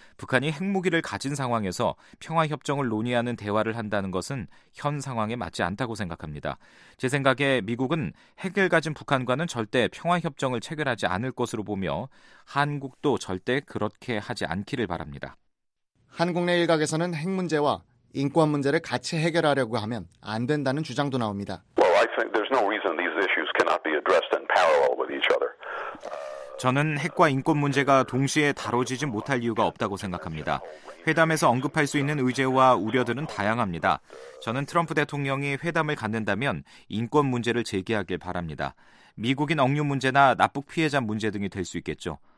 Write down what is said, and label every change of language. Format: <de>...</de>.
<ko>북한이 핵무기를 가진 상황에서 평화협정을 논의하는 대화를 한다는 것은 현 상황에 맞지 않다고 생각합니다. 제 생각에 미국은 핵을 가진 북한과는 절대 평화협정을 체결하지 않을 것으로 보며 한국도 절대 그렇게 하지 않기를 바랍니다. 한국 내 일각에서는 핵 문제와 인권 문제를 같이 해결하려고 하면 안 된다는 주장도 나옵니다.</ko> <en>Well, I think there's no reason these issues cannot be addressed in parallel with each other.</en> <ko>저는 핵과 인권 문제가 동시에 다뤄지지 못할 이유가 없다고 생각합니다. 회담에서 언급할 수 있는 의제와 우려들은 다양합니다. 저는 트럼프 대통령이 회담을 갖는다면 인권 문제를 제기하길 바랍니다. 미국인 억류 문제나 납북 피해자 문제 등이 될 수 있겠죠.</ko>